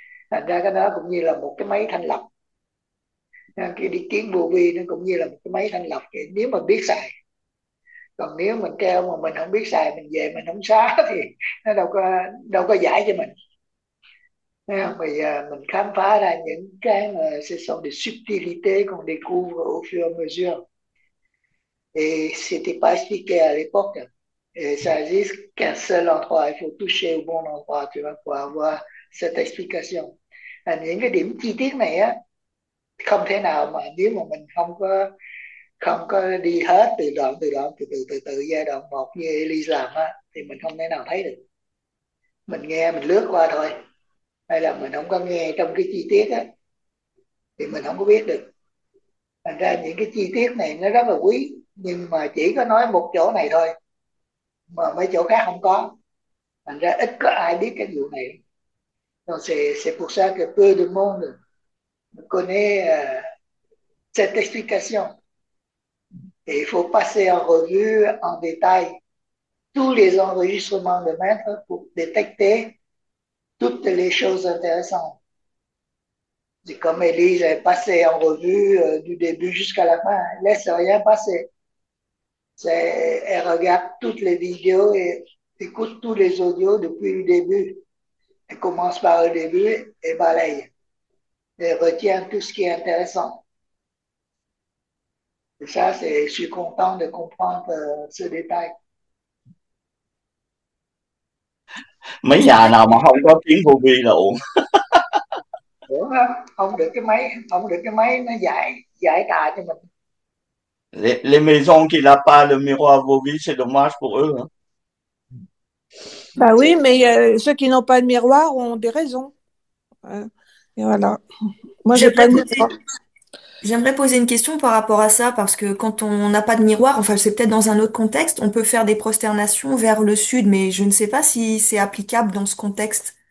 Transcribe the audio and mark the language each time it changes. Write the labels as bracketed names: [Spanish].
[Vietnamese] Thành ra cái đó cũng như là một cái máy thanh lọc, cái đi kiến vô vi nó cũng như là một cái máy thanh lọc nếu mà biết xài. Còn nếu mình treo mà mình không biết xài, mình về mình không xóa thì nó đâu có giải cho mình. Thấy không? Bây giờ mình khám phá ra những cái mà [French] ce sont des subtilités qu'on découvre au fur et à mesure. Et c'était pas expliqué à l'époque. Et ça n'existe qu'un seul endroit. Il faut toucher au bon endroit, tu vois, pour avoir cette explication. [Vietnamese] Et những cái điểm chi tiết này á, không thể nào mà nếu mà mình không có đi hết từ đoạn từ đoạn từ từ từ từ giai đoạn một như Elise làm á, thì mình không thể nào thấy được. Mình nghe mình lướt qua thôi, hay là mình không có nghe trong cái chi tiết á, thì mình không có biết được. Thành ra những cái chi tiết này nó rất là quý, nhưng mà chỉ có nói một chỗ này thôi mà mấy chỗ khác không có, thành ra ít có ai biết cái vụ này. [French] Donc c'est pour ça que peu de monde connaît cette explication, et il faut passer en revue en détail tous les enregistrements de maître pour détecter toutes les choses intéressantes. C'est comme Élise est passée en revue du début jusqu'à la fin, elle laisse rien passer. Elle regarde toutes les vidéos et écoute tous les audios depuis le début. Elle commence par le début et balaye. Elle retient tout ce qui est intéressant. Et ça, je suis content de comprendre ce détail. [Vietnamese] Mấy nhà nào mà không có tiếng vô vi là Ông được cái máy nó giải giải tà cho mình. [French] les maisons qui n'ont pas le miroir vô vi, c'est dommage pour eux. Bah oui, mais ceux qui n'ont pas de miroir ont des raisons. Et voilà. Moi, j'ai pas de miroir. J'aimerais poser une question par rapport à ça, parce que quand on n'a pas de miroir, enfin c'est peut-être dans un autre contexte, on peut faire des prosternations vers le sud, mais je ne sais pas si c'est applicable dans ce contexte.